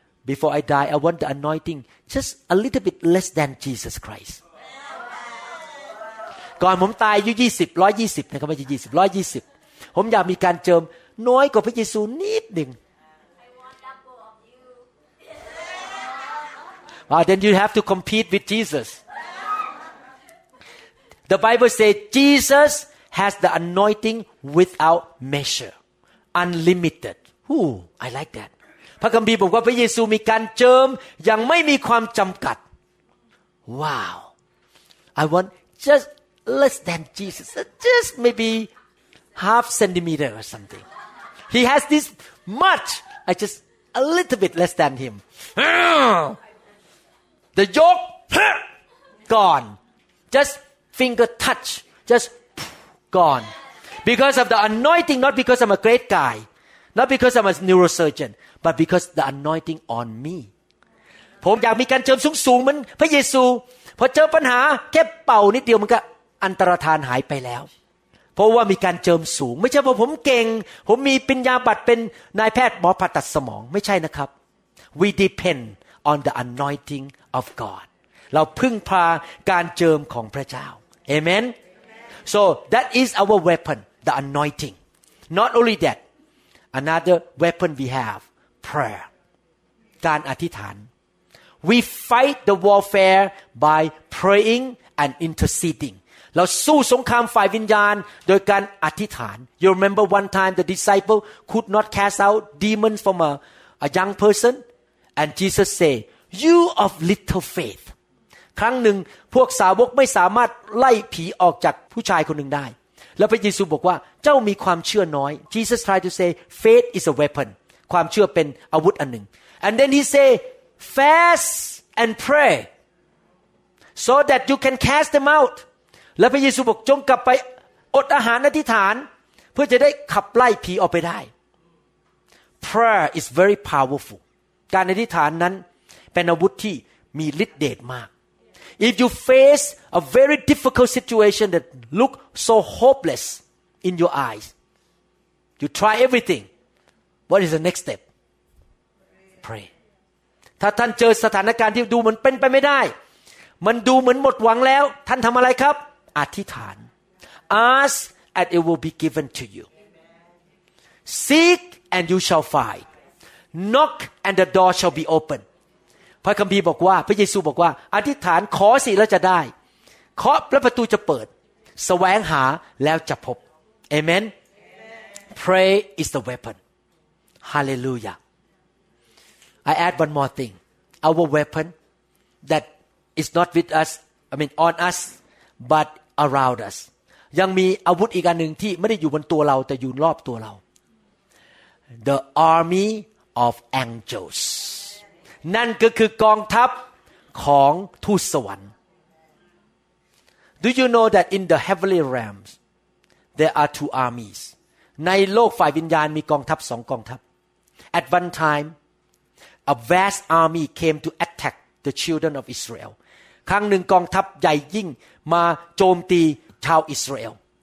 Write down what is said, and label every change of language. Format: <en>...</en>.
<en>Before I die, I want the anointing just a little bit less than Jesus Christ.</en> <th>ก่อนผมตายอายุ120นะครับไม่ใช่20 120ผมอยากมีการเจิมน้อยกว่าพระเยซูนิดนึง</th> <en>Then you have to compete with Jesus The Bible says Jesus has the anointing without measure, unlimited. Ooh, I like that.</en> <th>พระคัมภีร์บอกว่าพระเยซูมีการเจิมอย่างไม่มีความจำกัด</th> <en>Wow, I want just less than Jesus, just maybe half centimeter or something. He has this much. I just a little bit less than him. The yoke gone, just. Finger touch, just gone. Because of the anointing, not because I'm a great guy, not because I'm a neurosurgeon, but because the anointing on me.</en> <th>ผมอยากมีการเจิมสูงๆเหมือนพระเยซูพอเจอปัญหาแค่เป่านิดเดียวมันก็อันตรธานหายไปแล้วเพราะว่ามีการเจิมสูงไม่ใช่เพราะผมเก่งผมมีปัญญาบัตรเป็นนายแพทย์หมอผ่าตัดสมองไม่ใช่นะครับ</th> <en>We depend on the anointing of God.</en> <th>เราพึ่งพาการเจิมของพระเจ้า Amen.</th> <en>So that is our weapon, the anointing. Not only that, another weapon we have, prayer.</en> <th>การอธิษฐาน</th> <en>We fight the warfare by praying and interceding.</en> <th>เราสู้สงครามฝ่ายวิญญาณโดยการอธิษฐาน</th> <en>You remember one time the disciple could not cast out demons from a young person, and Jesus said, "You of little faith."</en> <th>ครั้งหนึ่งพวกสาวกไม่สามารถไล่ผีออกจากผู้ชายคนหนึ่งได้แล้วพระเยซูบอกว่าเจ้ามีความเชื่อน้อย</th> <en>Jesus tried to say faith is a weapon</en> <th>ความเชื่อเป็นอาวุธอันหนึ่ง</th> <en>and then he say fast and pray so that you can cast them out</en> <th>แล้วพระเยซูบอกจงกลับไปอดอาหารอธิษฐานเพื่อจะได้ขับไล่ผีออกไปได้</th> <en>prayer is very powerful</en> <th>การอธิษฐานนั้นเป็นอาวุธที่มีฤทธิ์เดชมาก</th> <en>If you face a very difficult situation that look so hopeless in your eyes, you try everything. What is the next step? Pray.</en> <th>ถ้าท่านเจอสถานการณ์ที่ดูเหมือนเป็นไปไม่ได้มันดูเหมือนหมดหวังแล้วท่านทำอะไรครับ</th> <en>อธิษฐาน Ask and it will be given to you. Seek and you shall find. Knock and the door shall be open.</en> <th>พระคัมภีร์บอกว่าพระเยซูบอกว่าอธิษฐานขอสิแล้วจะได้เคาะแล้วประตูจะเปิดแสวงหาแล้วจะพบเอเมน</th> <en>Pray is the weapon Hallelujah I add one more thing our weapon that is not with us I mean on us but around us</en> <th>ยังมีอาวุธอีกอันหนึ่งที่ไม่ได้อยู่บนตัวเราแต่อยู่รอบตัวเรา</th> <en>The army of angels</en> <th>นั่นก็คือกองทัพของทูตสวรรค์</th> <en>Do you know that in the heavenly realms there are two armies</en> <th>ในโลกฝ่ายวิญญาณมีกองทัพ2กองทัพ</th> <en>At one time a vast army came to attack the children of Israel</en> <th>ครั้งหนึ่งกองทัพใหญ่ยิ่งมาโจมตีชาวอิสราเอล</th>